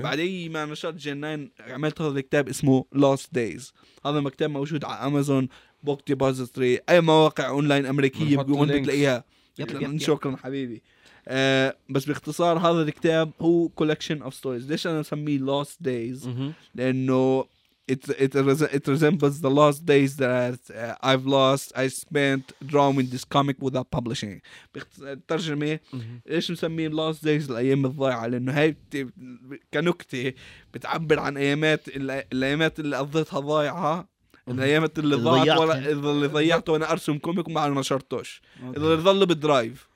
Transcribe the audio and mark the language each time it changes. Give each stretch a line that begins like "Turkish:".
Arabic: بعدين ما نشرت جين 9 عملت هذا الكتاب اسمه لاست دايز هذا المكتب موجود على امازون بوك ديبوزيتري اي مواقع اونلاين امريكيه بتقدر تلاقيها شكرا حبيبي بس باختصار هذا الكتاب هو
English: collection of stories.
Arabic: ليش أنا أسميه
English: lost days؟
Arabic: لأنه
English: it resembles the lost days that I've lost. I spent drawing this comic without publishing.
Arabic: بترجمة ليش نسميه lost days؟ الأيام الضايعة، لأنه هاي كنكتة بتعبر عن أيامات الأيامات اللي قضيتها ضايعة. الأيامات اللي ضيعت وأنا أرسم كوميك وما نشرتوش. اللي ظل بالدرايف.